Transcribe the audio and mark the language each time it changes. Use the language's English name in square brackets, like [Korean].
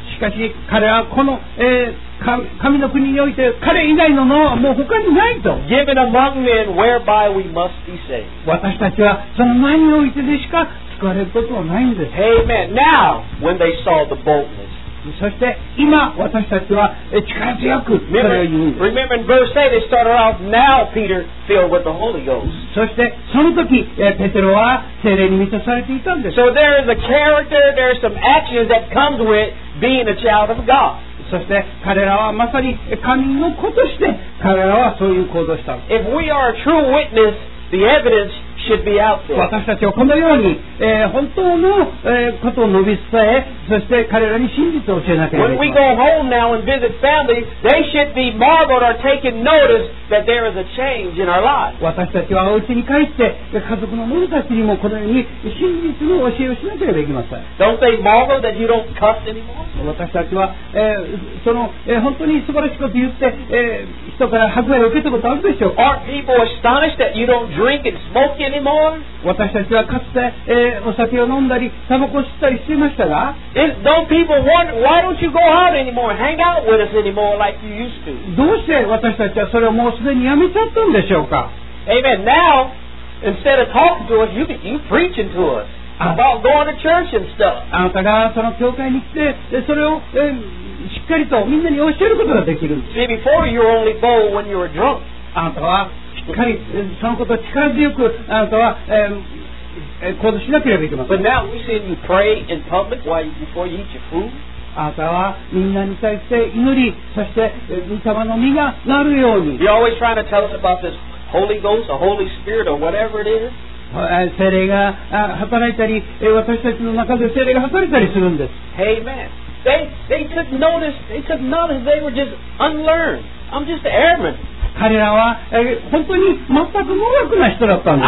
[Japanese] しかし彼はこの、神の国において彼以外ののはもう他にないと [English] Given among men whereby we must be saved. [Japanese] 私たちはその前においてでしか救われることはないんです [English] Amen. Now, when they saw the boldness. [Japanese] そして今私たちは力強くそれを言うんです [English] Remember in verse 8 they started off now Peter filled with the Holy Ghost. [Japanese] そしてその時ペテロは聖霊に満たされていたんです [English] So there is a character, there are some actions that comes withBeing a child of God. [Japanese] そして彼らはまさに神の子として彼らはそういう行動した。 [English] If we are a true witness, the evidence should be out there. [Japanese] 私たちはこのように、本当の、ことを述べ伝え、そして彼らに真実を教えなければ。 [English] When we go home now and visit families, they should be marveled or taking notice that there is a change in our lives. [Japanese] 私たちはお家に帰って家族の者たちにもこのように真実の教えをしなければいけません。 [English] Don't they marvel that you don't cuss anymore? [Japanese] 私たちは、その、本当に素晴らしいこと言って、人から迫害を受けたことあるでしょうか。 [English] Aren't people astonished that you don't drink and smoke anymore? [Japanese] 私たちはかつて、お酒を飲んだりタバコを吸ったりしていましたが [English] Don't people wonder why don't you go out anymore? Hang out with us anymore like you used to? [Japanese] どうして私たちはそれをもうすでにやめちゃったんでしょうか。 [English] Amen. Now, instead of talking to us, you preaching to us about going to church and stuff. [Japanese] あなたがその教会に来てそれを、しっかりとみんなに教えることができる。 [English] See, before you were only bold when you were drunk. [Japanese] あなたはしっかりそのことを力強くあなたは、行動しなければいけません。 [English] But now we see you pray in public before you eat your food. [Japanese] あなたはみんなに対して祈りそして御霊の実がなるように [English] You're always trying to tell us about this Holy Ghost or Holy Spirit or whatever it is [Japanese] 聖霊が働いたり私たちの中で聖霊が働いたりするんです [English] Amen They took notice they were just unlearned I'm just an airman [Japanese] 彼らは本当に全く無学な人だったんです